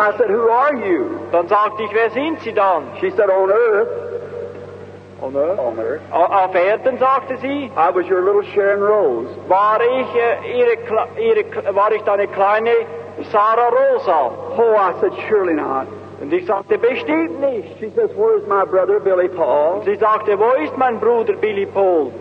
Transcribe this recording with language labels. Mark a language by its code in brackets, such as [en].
[en] I said, who are you? [de] Dann sagte ich, wer sind Sie dann? [en] She said, on earth. On earth? On earth. [de] Auf Erden, sagte sie. [en] I was your little Sharon Rose. [de] War ich, war ich deine kleine Sarah Rosa? [en] Oh, I said, surely not. [de] Und ich sagte, bestimmt nicht. [en] She says, where is my brother Billy Paul? [de] Und sie sagte, wo ist mein Bruder Billy Paul?